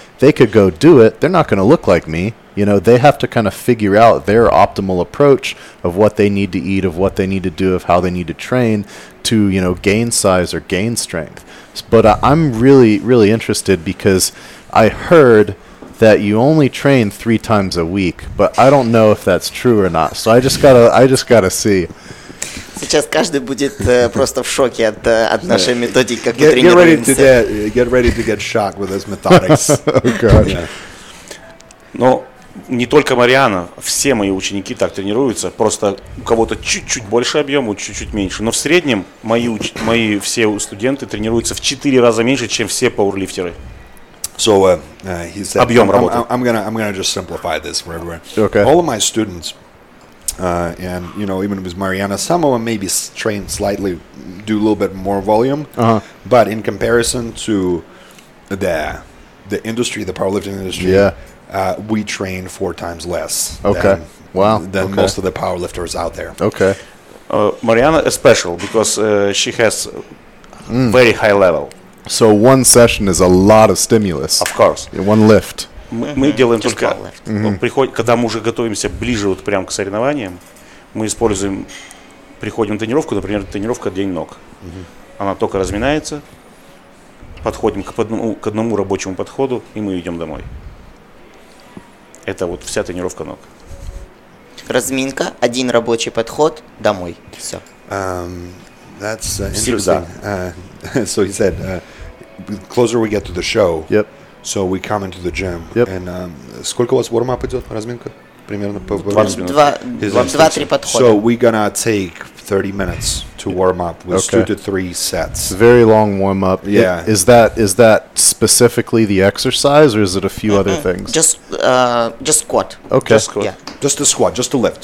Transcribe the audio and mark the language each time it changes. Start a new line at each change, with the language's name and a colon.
English: They could go do it. They're not going to look like me. You know, they have to kind of figure out their optimal approach of what they need to eat, of what they need to do, of how they need to train to, you know, gain size or gain strength. But I'm really, really interested because I heard that you only train 3 times a week, but I don't know if that's true or not. So I just gotta see.
Russian: Сейчас каждый будет просто в шоке от нашей методики, как мы тренируемся.
English: Get ready to get shocked with his methodics. Oh, God.
Russian: Ну, не только Мариана, все мои ученики так тренируются, просто у кого-то чуть-чуть больше объема, чуть-чуть меньше. Но в среднем мои все студенты тренируются в 4 раза меньше, чем все пауэрлифтеры.
English: So, he said,
Russian: объем работы.
English: I'm gonna just simplify this for everyone. Okay. All of my students... and, you know, even with Mariana, some of them maybe train slightly, do a little bit more volume. Uh-huh. But in comparison to the powerlifting industry, yeah. We train 4 times less okay. than, wow. than okay. most of the powerlifters out there. Okay. Mariana is special because she has very high level. So one session is a lot of stimulus. Of course. Yeah, one lift.
Russian: Мы делаем только, когда мы уже готовимся ближе вот прям к соревнованиям, мы используем, приходим на тренировку, например, тренировка день ног. Она только разминается, подходим к одному рабочему подходу, и мы идем домой. Это вот вся тренировка ног. Разминка, один рабочий подход, домой, все.
English: That's interesting. So he said, closer we get to the show. Yep. So we come into the gym. Yep.
Russian: And сколько у вас warm-up идет, разминка? Примерно по 2-3 подхода.
English: So we're going to take 30 minutes to warm up with 2-3 sets. Very long warm-up. Yeah. Is that specifically the exercise or is it a few other things? Just squat. Okay. Just squat. Yeah. Just a squat, just a lift.